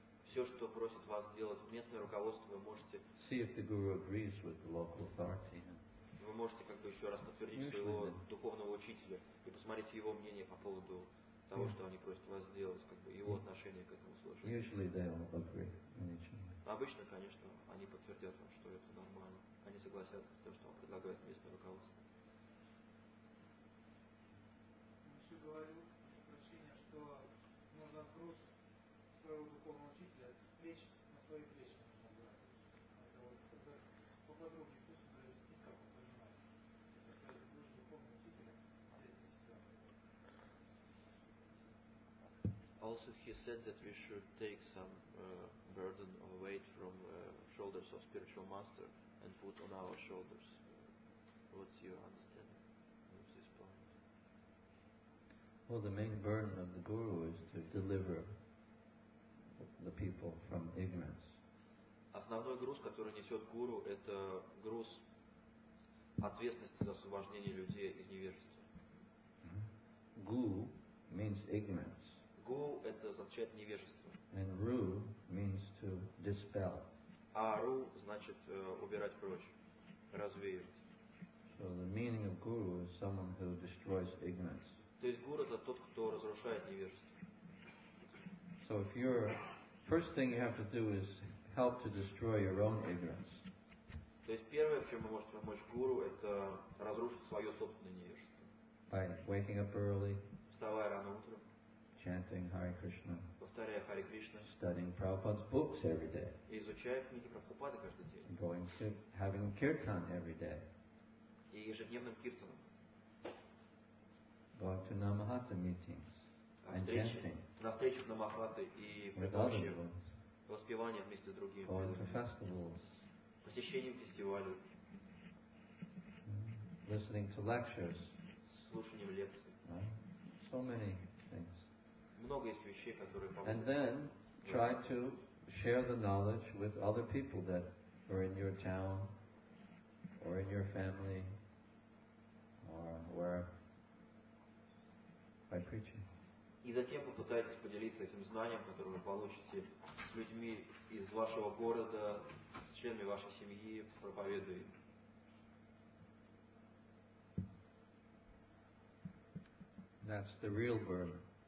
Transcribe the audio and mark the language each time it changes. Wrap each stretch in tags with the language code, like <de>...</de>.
<ru>Все, что просит вас делать местное руководство, вы можете...</ru> <en>See if the guru agrees with the local authority.</en> <ru>Вы можете как бы еще раз подтвердить своего духовного учителя и посмотреть его мнение по поводу того, что они просят вас сделать, как бы его отношение к этому сложилось.</ru> <en>Usually they will agree.</en> <ru>Обычно, конечно, они подтвердят вам, что это нормально. Они согласятся с тем, что вам предлагает местное руководство. Он еще говорил, прощение, что можно груз своего духовного учителя с плеч на свои плечи. Это вот поподробнее.</ru> <en>Also, he said that we should take some burden or weight from shoulders of spiritual master and put on our shoulders. What's your understanding of this point? Well, the main burden of the guru is to deliver the people from ignorance.</en> <ru>Основной груз, который несет гуру, это груз ответственности за освобождение людей из невежества.</ru> <en>Guru means ignorance.</en> <ru>Гу – это означает невежество.</ru> <en>And ru means to dispel.</en> <ru>А ру – значит убирать прочь, развеивать.</ru> <en>So the meaning of guru is someone who destroys ignorance.</en> <ru>То есть гуру – это тот, кто разрушает невежество.</ru> <en>So if you're, first thing you have to do is help to destroy your own ignorance.</en> <ru>То есть первое, в чем вы можете помочь гуру – это разрушить свое собственное невежество.</ru> <en>By waking up early.</en> <ru>Вставая рано утром.</ru> <en>Chanting Hare Krishna.</en> <ru>Повторяя Харе Кришна.</ru> <en>Studying Prabhupada's books every day.</en> <ru>Изучая книги Прабхупады каждый день.</ru> <en>Going to having kirtan every day.</en> <ru>И ежедневным киртаном.</ru> <en>Going to Namahata meetings. And chanting.</en> <ru>На встречи с Намахатой и предыдущие воспевания вместе с другими.</ru> <en>Going to festivals.</en> <ru>Посещением фестивалей.</ru> <en>Listening to lectures.</en> <ru>Слушанием лекций.</ru> <en>Right? So many things.</en> <ru>Много есть вещей, которые помогают.</ru> <en>And then try to share the knowledge with other people that are in your town or in your family or where by preaching.</en> <ru>И затем попытайтесь поделиться этим знанием, которое вы получите с людьми из вашего города, с членами вашей семьи, проповедуя.</ru> <en>That's the real burden.</en>